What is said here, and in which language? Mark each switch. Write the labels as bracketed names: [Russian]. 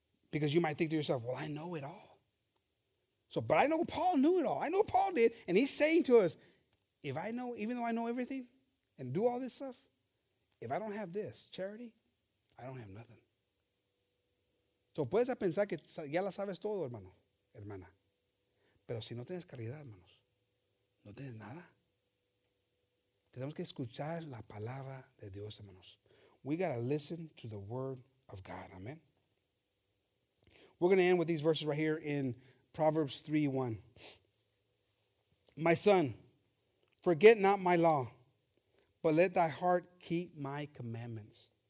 [English] Because you might think to yourself, well, I know it all. But I know Paul knew it all. I know Paul did. And he's saying to us, even though I know everything and do all this stuff, if I don't have this charity, I don't have nothing. [Spanish] So puedes pensar que ya la sabes todo, hermano, hermana. Pero si no tienes caridad, hermanos, no tienes nada. Tenemos que escuchar la palabra de Dios, hermanos. [English] We got to listen to the word of God. Amen. We're going to end with these verses right here in Proverbs 3:1. My son, forget not my law, but let thy heart keep my commandments.